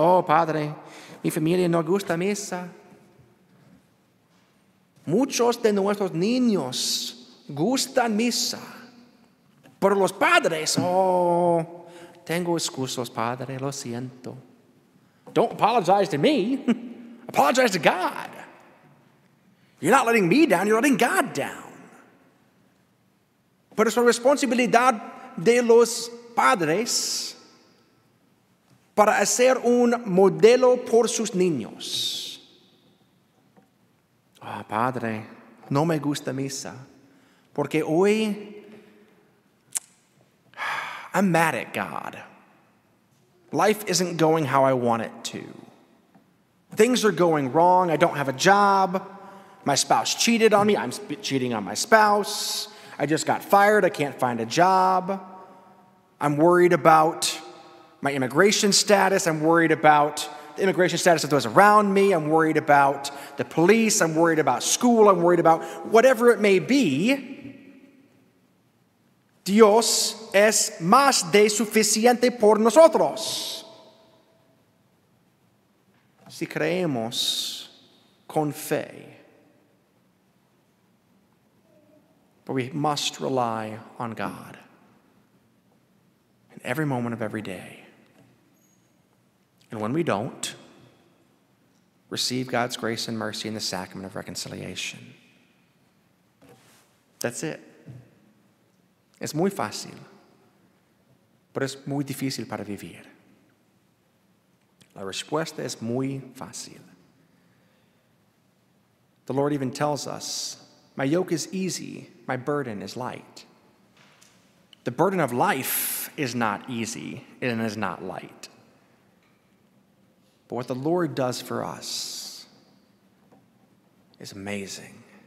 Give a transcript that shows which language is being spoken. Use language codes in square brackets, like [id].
[es] Oh, padre, mi familia no gusta misa. Muchos de nuestros niños gustan misa. Pero los padres, oh, tengo excusas, padre, lo siento. [en] Don't apologize to me. Apologize to God. You're not letting me down, you're letting God down. [es] Pero es la responsabilidad de los padres para hacer un modelo por sus niños. Ah, oh, padre, no me gusta misa porque hoy [en] I'm mad at God. Life isn't going how I want it to. Things are going wrong. I don't have a job. My spouse cheated on me. I'm cheating on my spouse. I just got fired. I can't find a job. I'm worried about my immigration status. I'm worried about the immigration status of those around me. I'm worried about the police. I'm worried about school. I'm worried about whatever it may be. [es] Dios es más de suficiente por nosotros. Si creemos con fe. [en] But we must rely on God. every moment of every day. And when we don't, receive God's grace and mercy in the sacrament of reconciliation. That's it. [es] Es muy fácil, pero es muy difícil para vivir. La respuesta es muy fácil. [en] The Lord even tells us, my yoke is easy, my burden is light. The burden of life is not easy and is not light. But what the Lord does for us is amazing.